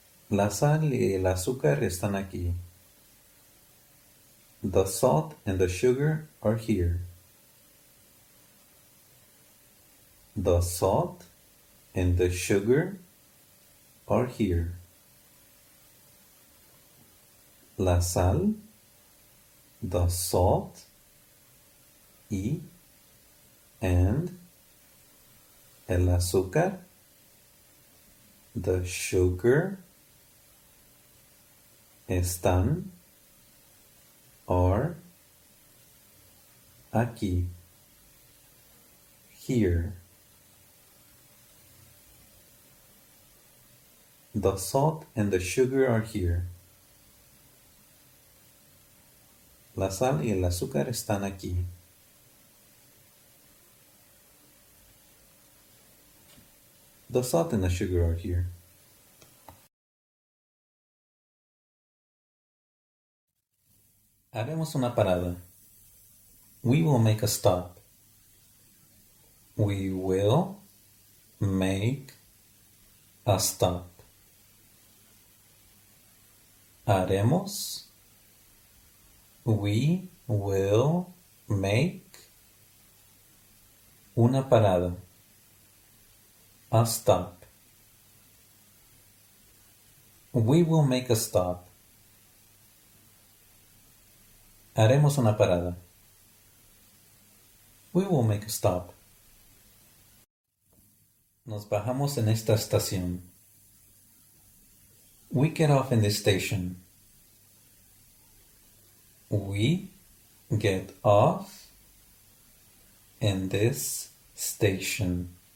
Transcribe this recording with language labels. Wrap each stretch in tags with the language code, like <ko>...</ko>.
<es>La sal y el azúcar están aquí.</es> <en>The salt and the sugar are here. The salt and the sugar are here.</en> <es>La sal,</es> <en>the salt,</en> <es>y,</es> <en>and,</en> <es>El azúcar.</es> <en>The sugar.</en> <es>Están.</es> <en>Are.</en> <es>Aquí.</es> <en>Here. The salt and the sugar are here.</en> <es>La sal y el azúcar están aquí.</es> <en>The salt and the sugar are here.</en> <es>Haremos una parada.</es> <en>We will make a stop. We will make a stop.</en> <es>Haremos.</es> <en>We will make</en> <es>una parada.</es> <en>A stop. We will make a stop.</en> <es>Haremos una parada.</es> <en>We will make a stop.</en> <es>Nos bajamos en esta estación.</es> <en>We get off in this station. We get off in this station.</en>